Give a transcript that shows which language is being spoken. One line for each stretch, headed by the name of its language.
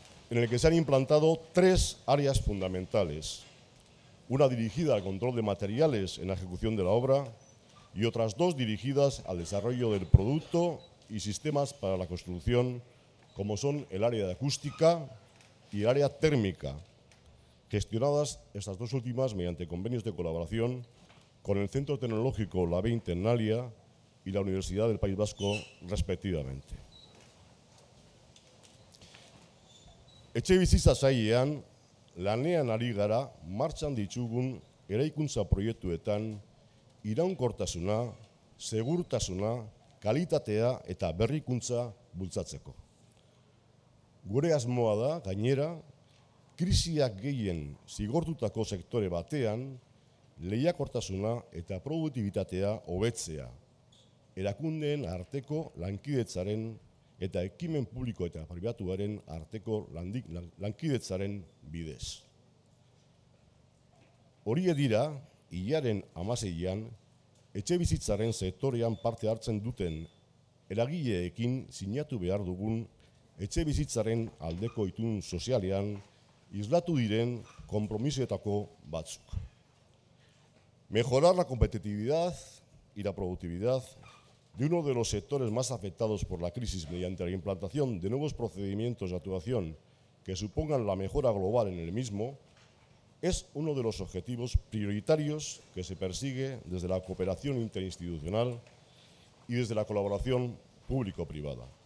Spanish: en el que se han implantado tres áreas fundamentales, una dirigida al control de materiales en la ejecución de la obra y otras dos dirigidas al desarrollo del producto y sistemas para la construcción, como son el área de acústica y el área térmica, gestionadas estas dos últimas mediante convenios de colaboración con el Centro Tecnológico La 20 en Nalia y la Universidad del País Vasco, respectivamente.
Basque: Etxebizitza sailean, lanean ari gara, martxan ditugun eraikuntza proiektuetan iraunkortasuna, segurtasuna, kalitatea eta berrikuntza bultzatzeko. Gure asmoa da, gainera, krisiak gehien zigortutako sektore batean, lehiakortasuna eta produktibitatea hobetzea, erakundeen arteko lankidetzaren eta ekimen publiko eta pribatuaren arteko lankidetzaren bidez. Horiek dira, hilaren 16an, etxe bizitzaren sektorean parte hartzen duten eragileekin sinatu behar dugun etxe bizitzaren aldeko itun sozialean islatu diren konpromisoetako batzuk.
Spanish: Mejorar la competitividad y la productividad de uno de los sectores más afectados por la crisis mediante la implantación de nuevos procedimientos de actuación que supongan la mejora global en el mismo, es uno de los objetivos prioritarios que se persigue desde la cooperación interinstitucional y desde la colaboración público-privada.